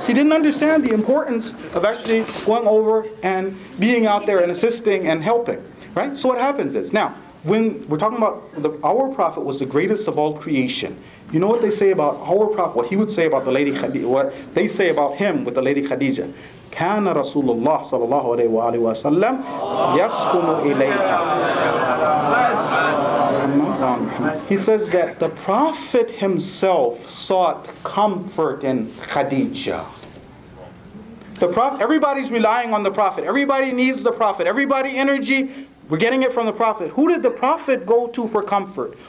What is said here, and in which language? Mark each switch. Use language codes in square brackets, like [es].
[en] She didn't understand the importance of actually going over and being out there and assisting and helping. Right? So what happens is, now, when we're talking about our Prophet was the greatest of all creation. You know what they say about our Prophet, what he would say about the Lady Khadija, what they say about him with the Lady Khadija. [ar] كان رسول الله صلى الله عليه وآله وسلم يسكن إليها. [en] He says that the Prophet himself sought comfort in Khadija. Everybody's relying on the Prophet. Everybody needs the Prophet. Everybody energy, we're getting it from the Prophet. Who did the Prophet go to for comfort?